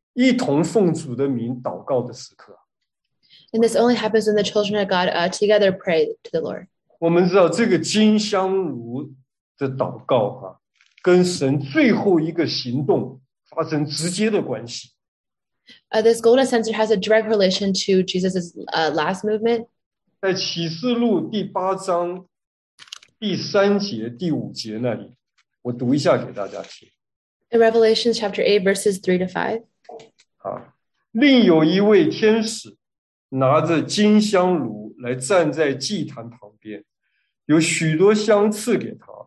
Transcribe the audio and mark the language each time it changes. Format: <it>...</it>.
<zh>唯有在神儿女们一同奉主的名祷告的时刻。</zh> <en>And this only happens when the children of God together pray to the Lord.</en> <zh>我们知道这个金香炉的祷告啊, 跟神最后一个行动发生直接的关系。</zh> <en>This golden censer has a direct relation to Jesus' last movement.</en> <zh>在启示录第8章第3节第5节那里, 我读一下给大家听。</zh> <en>In Revelation chapter 8, verses 3 to 5.</en> <zh>另有一位天使拿着金香炉来站在祭坛旁边，有许多香赐给他。</zh>